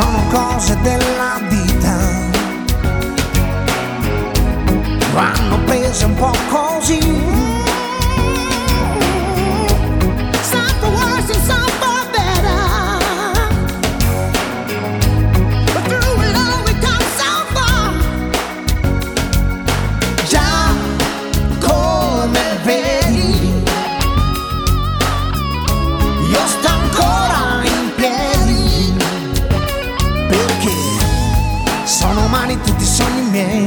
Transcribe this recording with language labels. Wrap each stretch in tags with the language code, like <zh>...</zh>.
<it>Cose della vita vanno prese un po' così.</it> <en>Some for worse and some for better, but through it all we come so far.</en> <it>Già come vedi, io sto ancora in piedi. Sono umani tutti i sogni miei.</it>